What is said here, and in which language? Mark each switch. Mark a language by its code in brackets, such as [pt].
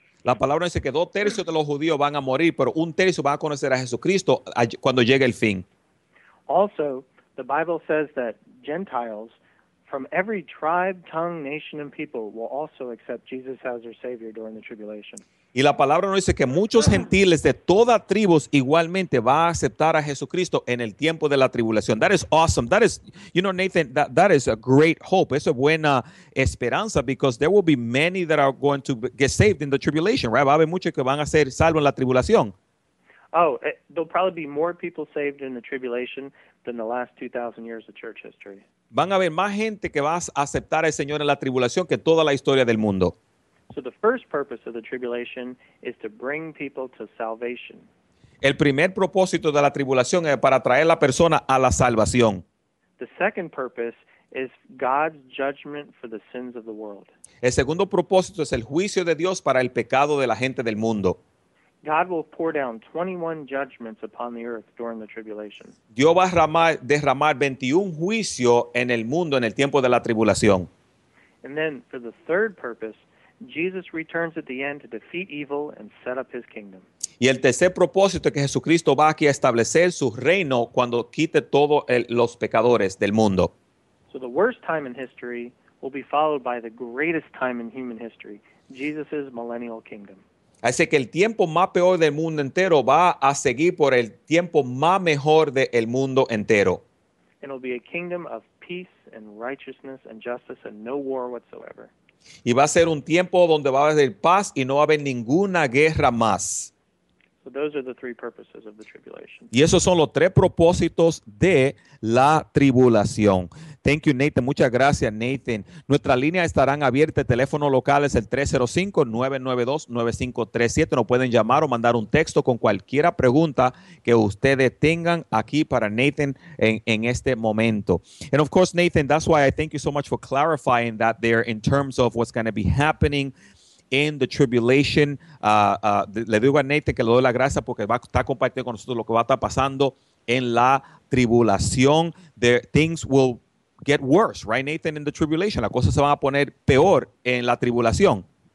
[es] La palabra dice que 2/3 de los judíos van a morir, pero 1/3 van a conocer a Jesucristo cuando llegue el fin. [en] Also, the Bible says that Gentiles from every tribe, tongue, nation, and people will also accept Jesus as their Savior during the tribulation. [es] Y la palabra nos dice que muchos gentiles de toda tribus igualmente va a aceptar a Jesucristo en el tiempo de la tribulación. [en] That is awesome. That is, you know, Nathan, that is a great hope. [es] Eso es buena esperanza [en] because there will be many that are going to get saved in the tribulation, right? [es] Va a haber muchos que van a ser salvos en la tribulación. [en] Oh, there'll probably be more people saved in the tribulation than the last 2,000 years of church history. [es] Van a haber más gente que va a aceptar al Señor en la tribulación que toda la historia del mundo. [en] So the first purpose of the tribulation is to bring people to salvation. [es] El primer propósito de la tribulación es para traer a la persona a la salvación. [en] The second purpose is God's judgment for the sins of the world. [es] El segundo propósito es el juicio de Dios para el pecado de la gente del mundo. [en] God will pour down 21 judgments upon the earth during the tribulation. [es] Dios va a derramar 21 juicios en el mundo en el tiempo de la tribulación. [en] And then for the third purpose, Jesus returns at the end to defeat evil and set up his kingdom. [es] Y el tercer propósito es que Jesucristo va aquí a establecer su reino cuando quite todos los pecadores del mundo. [en] So the worst time in history will be followed by the greatest time in human history, Jesus' millennial kingdom. [es] Así que el tiempo más peor del mundo entero va a seguir por el tiempo más mejor del mundo entero. [en] And it'll be a kingdom of peace and righteousness and justice and no war whatsoever. [es] Y va a ser un tiempo donde va a haber paz y no va a haber ninguna guerra más. [en] So those are the three purposes of the tribulation. [es] Y esos son los tres propósitos de la tribulación. [en] Thank you, Nathan. [es] Muchas gracias, Nathan. Nuestras líneas estarán abiertas. El teléfono local es el 305-992-9537. Nos pueden llamar o mandar un texto con cualquiera pregunta que ustedes tengan aquí para Nathan en este momento. [en] And of course, Nathan, that's why I thank you so much for clarifying that there in terms of what's going to be happening in the tribulation. [es] Le digo a Nathan que le doy la gracia porque va a estar compartiendo con nosotros lo que va a estar pasando en la tribulación. [en] Things will get worse, right, Nathan, in the tribulation. [es] Las cosas se van a poner peor en la tribulación.